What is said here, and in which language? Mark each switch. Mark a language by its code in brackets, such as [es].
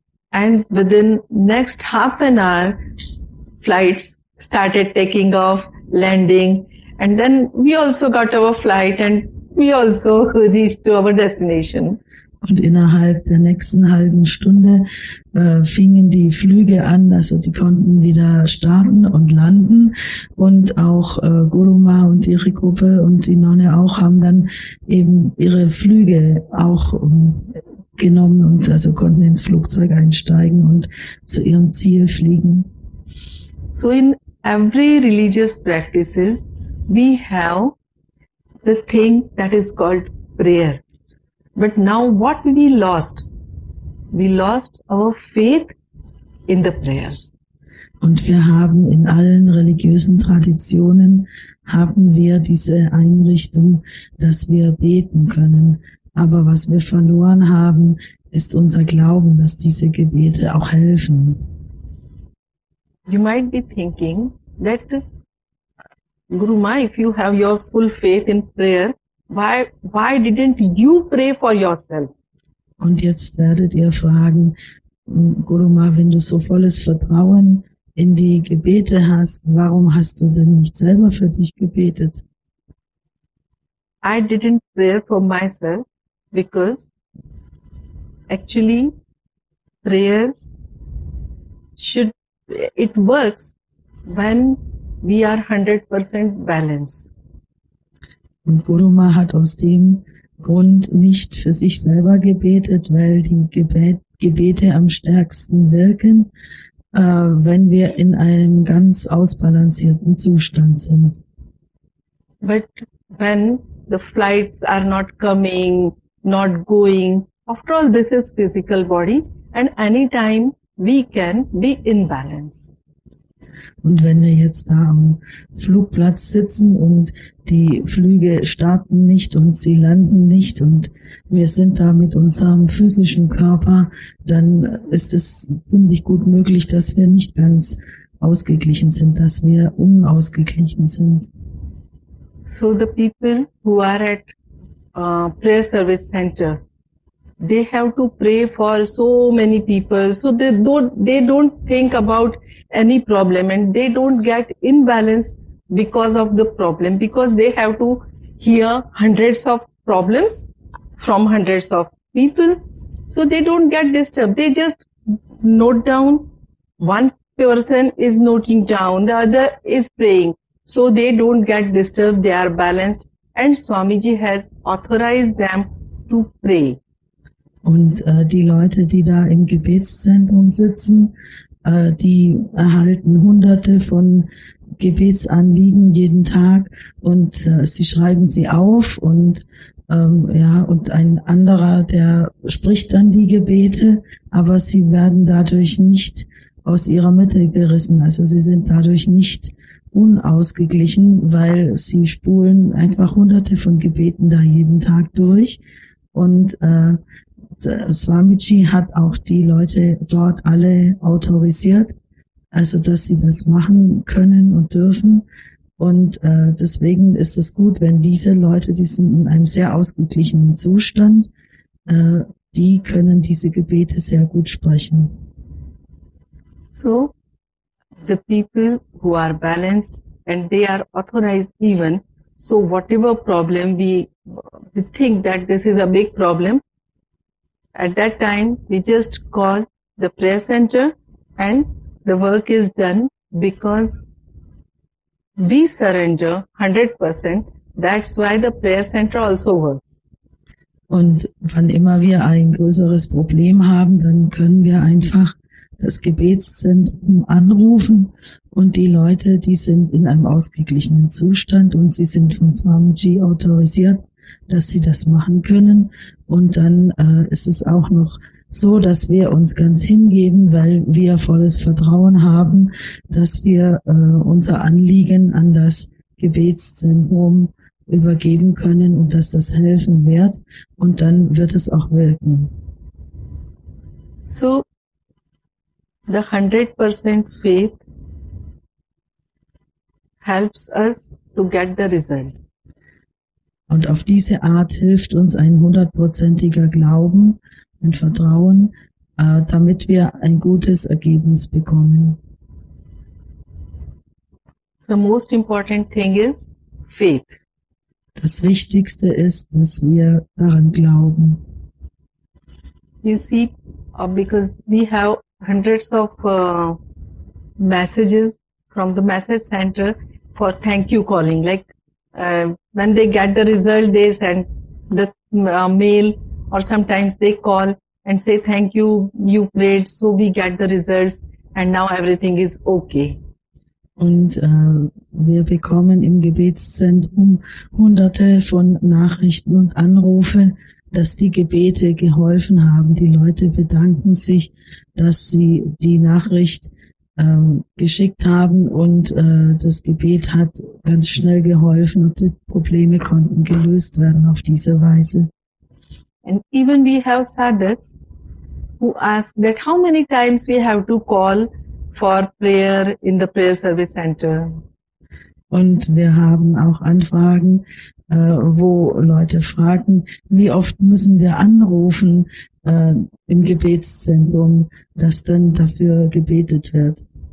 [en] And within next half an hour, flights started taking off, landing, and then we also got our flight and we also reached to our destination. [de] Und innerhalb der nächsten halben Stunde fingen die Flüge an, also die konnten wieder starten und landen. Und auch Guruma und ihre Gruppe und die Nonne auch haben dann eben ihre Flüge auch genommen und also konnten ins Flugzeug einsteigen und zu ihrem Ziel fliegen. [en] So in every religious practices, we have the thing that is called prayer. But now what we lost We lost our faith in the prayers. [de] Und wir haben in allen religiösen Traditionen, haben wir diese Einrichtung, dass wir beten können. Aber was wir verloren haben, ist unser Glauben, dass diese Gebete auch helfen. [en] You might be thinking that, Guruma, if you have your full faith in prayer, why didn't you pray for yourself? [de] Und jetzt werdet ihr fragen, Guruma, wenn du so volles Vertrauen in die Gebete hast, warum hast du denn nicht selber für dich gebetet? [en] I didn't pray for myself because actually prayers should, it works when we are 100% balanced. [de] Und Guruma hat aus dem Grund nicht für sich selber gebetet, weil die Gebete am stärksten wirken, wenn wir in einem ganz ausbalancierten Zustand sind. [en] But when the flights are not coming, not going, after all this is physical body and any time we can be in balance. [de] Und wenn wir jetzt da am Flugplatz sitzen und die Flüge starten nicht und sie landen nicht und wir sind da mit unserem physischen Körper, dann ist es ziemlich gut möglich, dass wir nicht ganz ausgeglichen sind, dass wir unausgeglichen sind. [en] So the people who are at prayer service center, they have to pray for so many people, so they don't think about any problem and they don't get imbalanced because of the problem, because they have to hear hundreds of problems from hundreds of people, so they don't get disturbed. They just note down, one person is noting down, the other is praying, so they don't get disturbed, they are balanced, and Swamiji has authorized them to pray. [de] Und die Leute, die da im Gebetszentrum sitzen, die erhalten hunderte von Gebetsanliegen jeden Tag und sie schreiben sie auf und ja, und ein anderer, der spricht dann die Gebete, aber sie werden dadurch nicht aus ihrer Mitte gerissen. Also sie sind dadurch nicht unausgeglichen, weil sie spulen einfach hunderte von Gebeten da jeden Tag durch und Swamiji hat auch die Leute dort alle autorisiert, also dass sie das machen können und dürfen. Und deswegen ist es gut, wenn diese Leute, die sind in einem sehr ausgeglichenen Zustand, die können diese Gebete sehr gut sprechen. [en] So, the people who are balanced and they are authorized even, so whatever problem we think that this is a big problem, at that time, we just call the prayer center and the work is done because we surrender 100%. That's why the prayer center also works. [de] Und wann immer wir ein größeres Problem haben, dann können wir einfach das Gebetszentrum anrufen und die Leute, die sind in einem ausgeglichenen Zustand und sie sind von Swamiji autorisiert, dass sie das machen können. Und dann ist es auch noch so, dass wir uns ganz hingeben, weil wir volles Vertrauen haben, dass wir unser Anliegen an das Gebetszentrum übergeben können und dass das helfen wird. Und dann wird es auch wirken. [en] So, the 100% faith helps us to get the result. [de] Und auf diese Art hilft uns ein hundertprozentiger Glauben und Vertrauen, damit wir ein gutes Ergebnis bekommen. [en] The most important thing is faith. [de] Das Wichtigste ist, dass wir daran glauben. [en] You see, because we have hundreds of messages from the message center for thank you calling, like when they get the result, they send the mail, or sometimes they call and say, thank you, you prayed, so we get the results and now everything is okay. [de] Und wir bekommen im Gebetszentrum hunderte von Nachrichten und Anrufe dass die Gebete geholfen haben. Die Leute bedanken sich, dass sie die Nachricht geschickt haben, und das Gebet hat ganz schnell geholfen und die Probleme konnten gelöst werden auf diese Weise. [en] And even we have sadhus who ask that how many times we have to call for prayer in the prayer service center. [de] Und wir haben auch Anfragen, wo Leute fragen, wie oft müssen wir anrufen im Gebetszentrum, dass dann dafür gebetet wird.